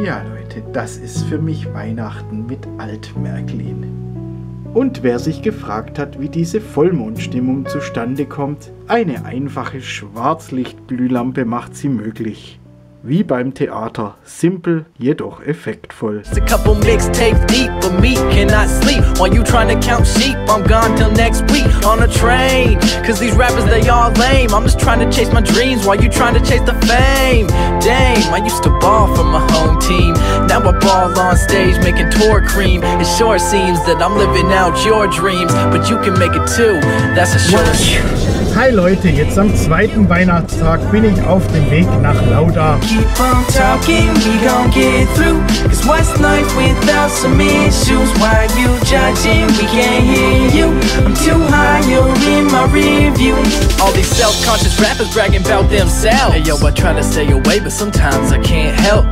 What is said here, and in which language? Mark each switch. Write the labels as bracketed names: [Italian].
[German] Ja, Leute, das ist für mich Weihnachten mit Alt-Märklin. Und wer sich gefragt hat, wie diese Vollmondstimmung zustande kommt, eine einfache Schwarzlichtglühlampe macht sie möglich. Wie beim Theater, simpel, jedoch effektvoll. [English] It's a couple mixtapes deep, but me cannot sleep. While you trying to count sheep, I'm gone till next week on a train. Cause these rappers, they all lame. I'm just trying to chase my dreams, while you trying to chase the fame. Dame, I used to ball for my home team. Now I ball on stage, making tour cream. It sure seems that I'm living out your dreams. But you can make it too, that's a sure thing. [German] Hi Leute, jetzt am zweiten Weihnachtstag bin ich auf dem Weg nach Lauda. [English] Keep on talking, we gon' get through. Cause what's life without some issues? Why are you judging? We can't hear you. I'm too high, you're in my rearview. All these self-conscious rappers bragging about themselves. Hey yo, I try to stay away, but sometimes I can't help.